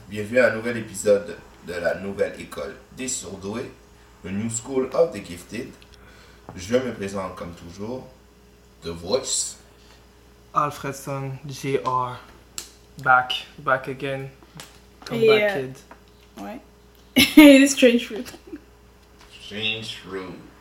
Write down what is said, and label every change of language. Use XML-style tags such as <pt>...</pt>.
<fr>Bienvenue à un nouvel épisode de la nouvelle école des surdoués.</fr> <en>The New School of the Gifted.</en> <fr>Je me présente comme toujours, The Voice.</fr> <en>Alfredson, J.R. Back again. Come back, kid.</en> <fr>Ouais. Et Strange Fruit. Strange Fruit.</fr>